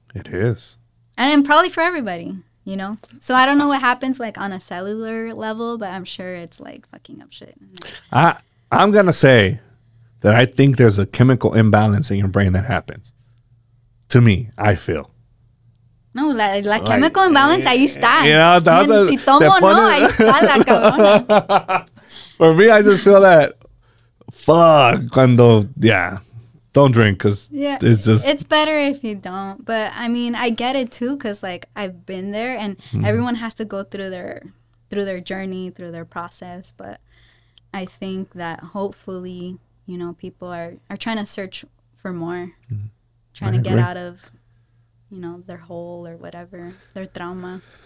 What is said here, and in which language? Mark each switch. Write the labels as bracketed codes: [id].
[en] It is. And probably for everybody, you know? So I don't know what happens, like, on a cellular level, but I'm sure it's, like, fucking up shit. I'm going to say that I think there's a chemical imbalance in your brain that happens. To me, I feel. [es] No, la chemical imbalance, ahí está. You know, si tomo, ahí está la cabrona. [en] For me, I just feel that, fuck, cuando, yeah, don't drink, because yeah, it's just. It's better if you don't, but I mean, I get it too, because like, I've been there, and everyone has to go through their journey, through their process, but I think that hopefully, you know, people are trying to search for more, trying to get out of, you know, their hole or whatever, their trauma.